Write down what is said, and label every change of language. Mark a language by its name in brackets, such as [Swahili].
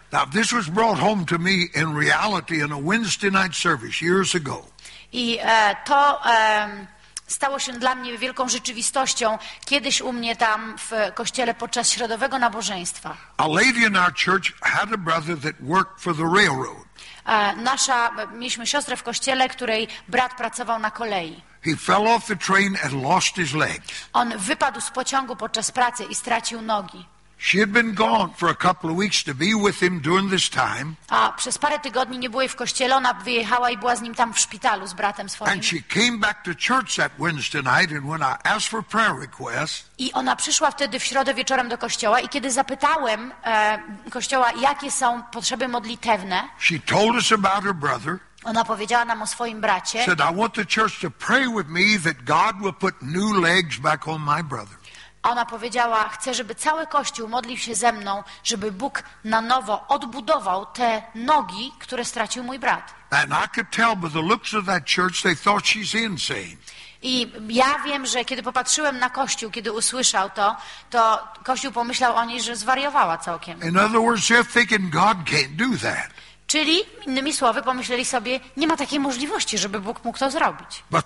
[English] Now, this was brought home to me in reality in a Wednesday night service years ago. [Polish] I to stało się dla mnie wielką rzeczywistością kiedyś u mnie tam w kościele podczas środowego nabożeństwa. [English] A lady in our church had a brother that worked for the railroad. [Polish] Mieliśmy siostrę w kościele, której brat pracował na kolei. [English] He fell off the train and lost his legs. [Polish] On wypadł z pociągu podczas pracy i stracił nogi. [English] She had been gone for a couple of weeks to be with him during this time. [Polish] A przez parę tygodni nie była w kościele, ona wyjechała i była z nim tam w szpitalu z bratem swoim. [English] And she came back to church that Wednesday night, and when I asked for prayer requests. [Polish] I ona przyszła wtedy w środę wieczorem do kościoła i kiedy zapytałem kościoła, jakie są potrzeby modlitewne. [English] She told us about her brother. [Polish] Ona powiedziała nam o swoim bracie. [English] Said, I want the church to pray with me that God will put new legs back on my brother. [Polish] Ona powiedziała, chcę, żeby cały Kościół modlił się ze mną, żeby Bóg na nowo odbudował te nogi, które stracił mój brat. [English] And I could tell by the looks of that church, they thought she's insane. [Polish] I ja wiem, że kiedy popatrzyłem na Kościół, kiedy usłyszał to, to Kościół pomyślał o niej, że zwariowała całkiem. [English] In other words, they're thinking God can't do that. [Polish] Czyli, innymi słowy, pomyśleli sobie, nie ma takiej możliwości, żeby Bóg mógł to zrobić.